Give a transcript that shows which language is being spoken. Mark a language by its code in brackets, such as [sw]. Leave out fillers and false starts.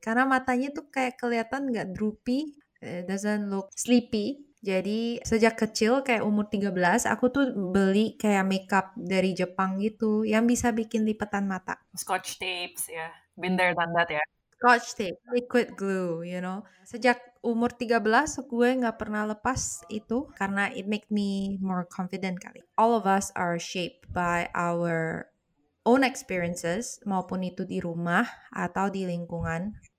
[id] Karena matanya tuh kayak kelihatan gak droopy, [en] doesn't look sleepy. [id] Jadi sejak kecil kayak umur 13 aku tuh beli kayak makeup dari Jepang gitu yang bisa bikin lipatan mata. [en] Scotch tapes ya, yeah. Been there done that ya. Yeah. Scotch tape, liquid glue, you know. [id] Sejak umur 13 gue gak pernah lepas itu karena [en] it make me more confident [id] kali. [en] All of us are shaped by our own experiences [id] maupun itu di rumah atau di lingkungan.